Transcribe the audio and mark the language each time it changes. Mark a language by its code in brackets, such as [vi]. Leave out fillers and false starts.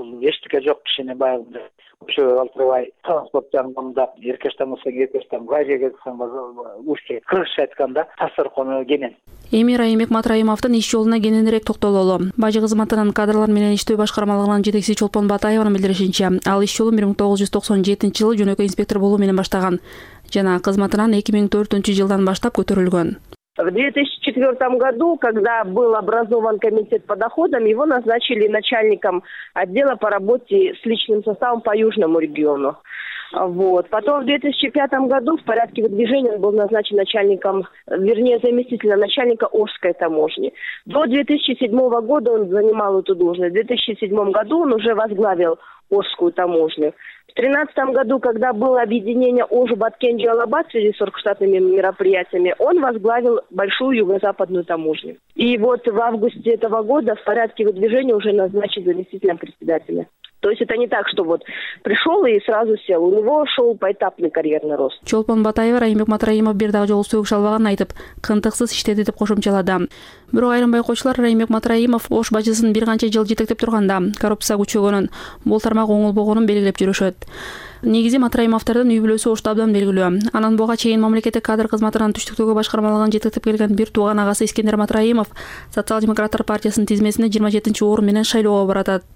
[ky] Бул эчтеке жок кишини баягындай көчөгө калтырбай, транспорт жагын камдап, эркештен болсоң эркештен, газге кетсең уюшт, кыргызча айтканда тасыркону кенен. Эми Райымбек Матраимовдун иш жолуна кененирээк токтололу. Бажы кызматынын кадрлар менен иштөө башкармалыгынын жетекчиси Чолпон Батаеванын билдиришинче, ал иш жолун 1997 жылы жөнөкөй инспектор болуу менен баштаган жана кызматынан 2004 жылдан баштап көтөрүлгөн. [ru] В 2004 году, когда был образован комитет по доходам, его назначили начальником отдела по работе с личным составом по южному региону. Вот. Потом в 2005 году в порядке выдвижения он был назначен начальником, вернее, заместителем начальника Ошской таможни. До 2007 года он занимал эту должность. В 2007 году он уже возглавил Ошскую таможню. В 2013 году, когда было объединение Ош-Баткенджи-Алабад в связи с оргштатными мероприятиями, он возглавил большую юго-западную таможню. И вот в августе этого года в порядке выдвижения уже назначен заместителем председателя. То есть это не так, что вот пришел и сразу сел. У него шел поэтапный карьерный рост. [ky] Чолпон Батаева, Райымбек Матраимов бир дагы жолу сөгүш албаган айтып, кынтыксыз иштеди деп кошумчалады. Бирок айрым байкоочулар Райымбек Матраимов Ош бажысын бир канча жыл жетектеп турганда коррупция күчөгөнүн, бул тармак оңолбогонун белгилеп жүрүшөт. Негизи Матраим автордун үйбүлөсү Ош табдан белгилүү. Анан буга чейин мамлекеттик кадр кызматынан түштүктөгү башкармалыгын жетектеп келген бир тууган агасы Искендер Матраимов Социал-демократтар партиясынын тизмесине 27-чи орун менен шайлоого баратат.